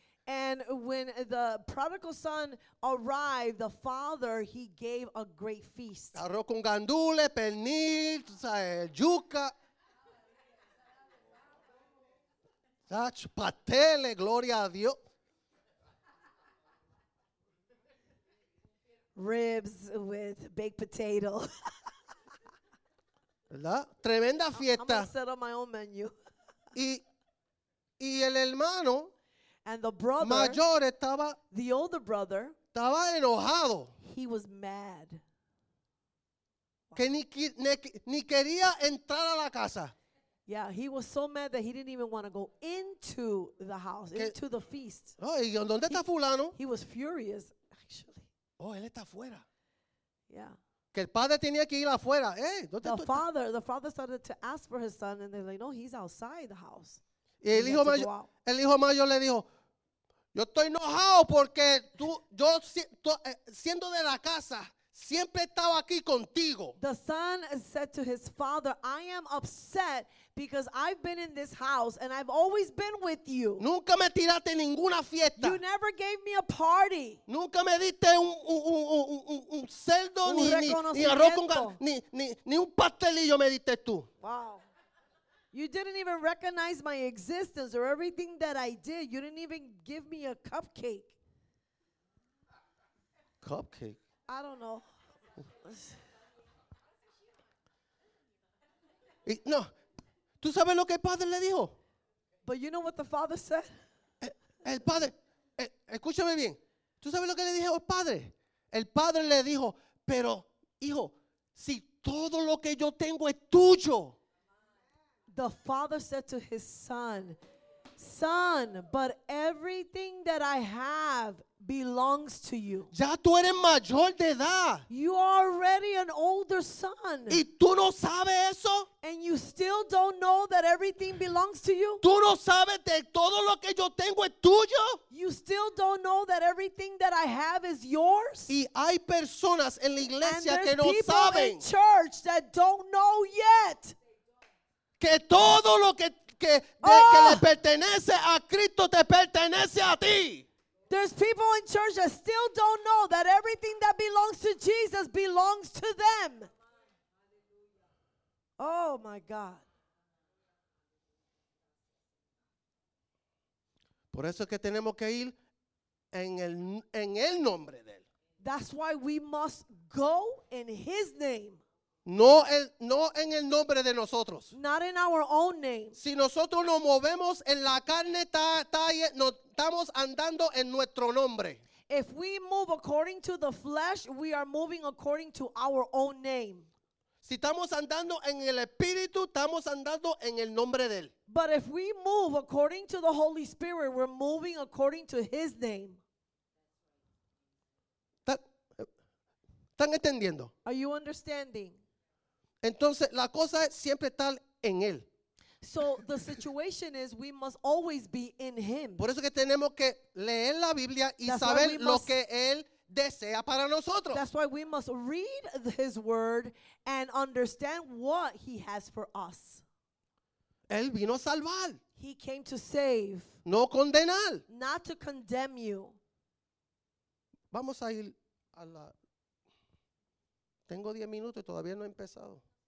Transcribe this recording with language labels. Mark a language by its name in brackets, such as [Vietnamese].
[English] And when the prodigal son arrived, the father, he gave a great feast. [Spanish] Arroz con gandules, pernil, yuca. Tach, pasteles, gloria a Dios. [English] Ribs with baked potato. [Spanish] ¿Verdad? Tremenda fiesta. [English] I'm gonna set up my own menu. [Spanish] Y el hermano mayor estaba, [English] the older brother, [Spanish] estaba enojado. [English] He was mad. [Spanish] Que ni quería entrar a la casa. [English] Yeah, he was so mad that he didn't even want to go into the house, into the feast. [Spanish] ¿Y dónde está fulano? [English] He was furious, actually. [Spanish] Oh, él está afuera. [English] Yeah. [Spanish] Que el padre tenía que ir afuera. [English] The father started to ask for his son, and they're like, no, he's outside the house. [Spanish] Y el hijo mayor le dijo, yo estoy enojado porque yo siendo de la casa, siempre estaba aquí contigo. [English] The son said to his father, I am upset because I've been in this house and I've always been with you. [Spanish] Nunca me tiraste ninguna fiesta. [English] You never gave me a party. [Spanish] Nunca me diste un cerdo, un ni arroz con ni un pastelillo me diste tú. [English] Wow. You didn't even recognize my existence or everything that I did. You didn't even give me a cupcake. Cupcake? I don't know. No. [Spanish] ¿Tú sabes lo que el padre le dijo? [English] But you know what the father said? [Spanish] El padre, escúchame bien. ¿Tú sabes lo que le dijo el padre? El padre le dijo, pero hijo, si todo lo que yo tengo es tuyo. [English] The father said to his son, son, but everything that I have belongs to you. [Spanish] Ya tú eres mayor de edad. [English] You are already an older son. [Spanish] ¿Y tú no sabes eso? [English] And you still don't know that everything belongs to you? [Spanish] ¿Tú no sabes que todo lo que yo tengo es tuyo? [English] You still don't know that everything that I have is yours? [Spanish] Y hay personas en la iglesia que no saben. [English] And there's people in church that don't know yet. [Spanish] Que todo lo que le pertenece a Cristo te pertenece a ti. [English] There's people in church that still don't know that everything that belongs to Jesus belongs to them. Oh my God. [Spanish] Por eso es que tenemos que ir en el nombre de él. [English] That's why we must go in his name. [Spanish] No en el nombre de nosotros. [English] Not in our own name. [Spanish] Si nosotros nos movemos en la carne, estamos andando en nuestro nombre. [English] If we move according to the flesh, we are moving according to our own name. [Spanish] Si estamos andando en el Espíritu, estamos andando en el nombre de él. [English] But if we move according to the Holy Spirit, we're moving according to his name. [Spanish] ¿Están entendiendo? [English] Are you understanding? [Spanish] Entonces, la cosa es siempre estar en él. [English] So, the situation is we must always be in him. [Spanish] Por eso que tenemos que leer la Biblia y [English] that's [Spanish] saber lo que él desea para nosotros. [English] That's why we must read his word and understand what he has for us. [Spanish] Él vino a salvar. [English] He came to save. [Spanish] No condenar. [English] Not to condemn you. [Spanish] Vamos a ir a la... Tengo 10 minutos y todavía no he empezado.